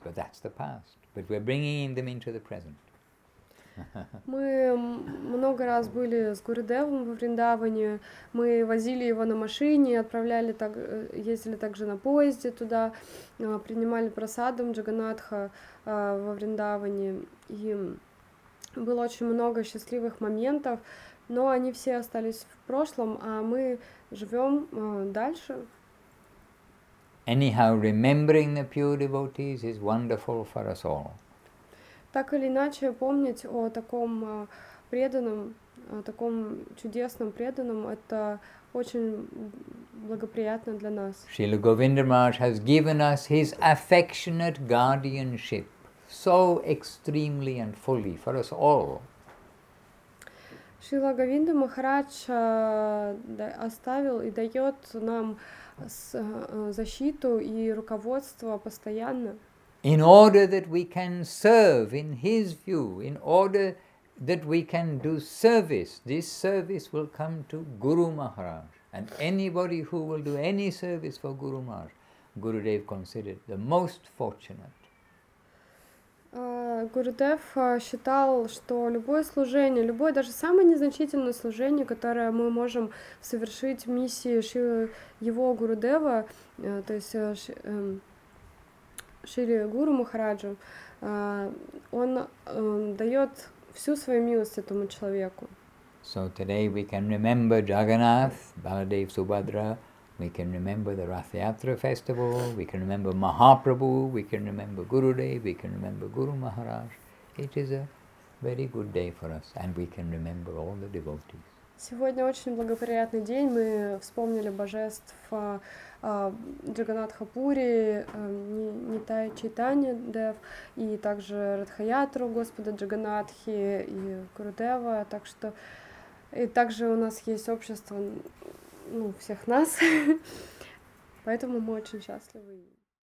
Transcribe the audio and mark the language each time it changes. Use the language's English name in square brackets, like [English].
[English] But that's the past. But we're bringing them into the present. [Russian] Мы много раз были с Гурудевом во Вриндаване, мы возили его на машине, отправляли, так, ездили также на поезде туда, принимали прасадом Джаганатха во Вриндаване, и было очень много счастливых моментов, но они все остались в прошлом, а мы живем дальше. [English] Anyhow, remembering the pure devotees is wonderful for us all. [Russian] Так или иначе, помнить о таком преданном, о таком чудесном преданном, это очень благоприятно для нас. [English] Srila Govinda Maharaj has given us his affectionate guardianship so extremely and fully for us all. [Russian] Srila Govinda Maharaj оставил и дает нам защиту и руководство постоянно. [English] In order that we can serve in his view, in order that we can do service, this service will come to Guru Maharaj. And anybody who will do any service for Guru Maharaj, Gurudev considered the most fortunate. [Russian] Гурудев считал, что любое служение, любое даже самое незначительное служение, которое мы можем совершить в миссии его Гурудева, то есть Шри Гуру Махараджа, он дает всю свою милость этому человеку. [English] So today we can remember Jagannath, Baladev Subhadra, we can remember the Rath Yatra festival, we can remember Mahaprabhu, we can remember Gurudev, we can remember Guru Maharaj. It is a very good day for us, and we can remember all the devotees. [Russian] Сегодня очень благоприятный день. Мы вспомнили божеств Джаганнатха Пури, Нитай Чайтанья Дев, и также Радхаятру Господа Джаганнатхи и Гурудева. Так что и также у нас есть общество, ну, всех нас, поэтому мы очень счастливы.